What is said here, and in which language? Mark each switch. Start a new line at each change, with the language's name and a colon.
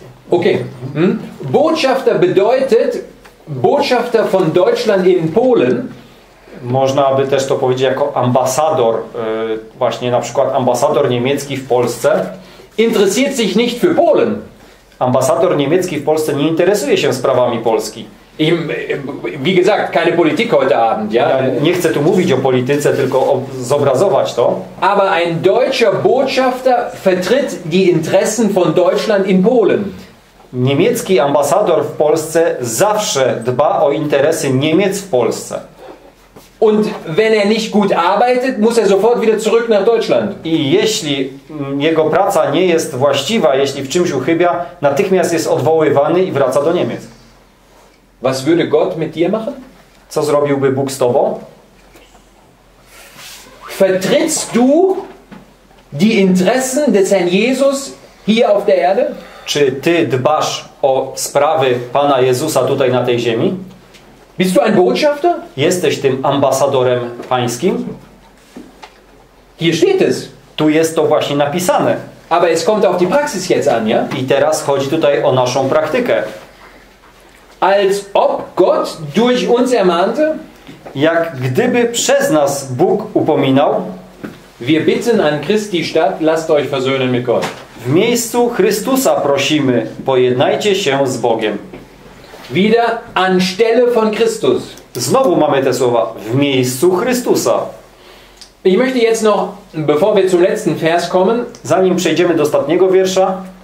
German: Okay. Botschafter bedeutet Botschafter von Deutschland in Polen.
Polish: Można by też to powiedzieć jako ambasador, właśnie na przykład ambasador niemiecki w Polsce.
German: Interessiert sich nicht für Polen.
Polish: Ambasador niemiecki w Polsce nie interesuje się sprawami Polski.
German: I, wie gesagt, keine Politik heute Abend, ja?
Polish: Ja nie chcę tu mówić o polityce, tylko zobrazować to.
German: Aber ein deutscher Botschafter vertritt die Interessen von Deutschland in Polen.
Polish: Niemiecki ambasador w Polsce zawsze dba o interesy Niemiec w Polsce.
German: Und wenn er nicht gut arbeitet, muss er sofort wieder zurück nach Deutschland.
Polish: I jeśli jego praca nie jest właściwa, jeśli w czymś uchybia, natychmiast jest odwoływany i wraca do Niemiec.
German: Was würde Gott mit dir machen?
Polish: Co zrobiłby Bóg z tobą?
German: Vertrittst du die Interessen des Herrn Jesus hier auf der Erde?
Polish: Czy ty dbasz o sprawy Pana Jezusa tutaj na tej ziemi?
German: Bist du ein Botschafter?
Polish: Jesteś tym ambasadorem pańskim?
German: Hier steht es.
Polish: Tu jest to właśnie napisane.
German: Aber es kommt auf die Praxis jetzt an, ja?
Polish: I teraz chodzi tutaj o naszą praktykę.
German: Als ob Gott durch uns ermahnte,
Polish: jak gdyby przez nas Bóg upominał,
German: wir bitten an Christi Stadt, lasst euch versöhnen mit Gott.
Polish: W miejscu Chrystusa prosimy, pojednajcie się z Bogiem.
German: Wieder an Stelle von Christus.
Polish: Znowu mamy te słowa, w miejscu Chrystusa.
German: Ich möchte jetzt noch, bevor wir zum letzten Vers kommen,
Polish: zanim przejdziemy do ostatniego wiersza,